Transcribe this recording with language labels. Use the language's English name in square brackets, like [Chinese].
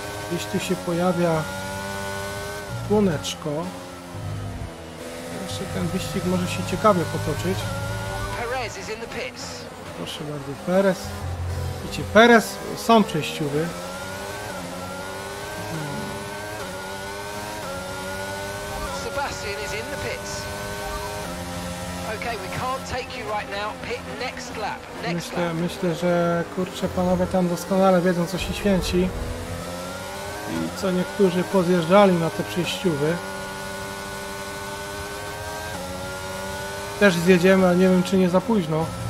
[Polish] Gdzieś tu się pojawia słoneczko. Ten wyścig może się ciekawie potoczyć. [English] Perez is in the pits. [Polish] Proszę bardzo, Perez. Widzicie, Perez, są przejściówy. [English] Sebastian is in the pits. Okay, we can't take you right now. Pit next lap. [Polish] Myślę, że kurczę, panowie tam doskonale wiedzą, co się święci. I co niektórzy pozjeżdżali na te przejściówy. Też zjedziemy, ale nie wiem czy nie za późno.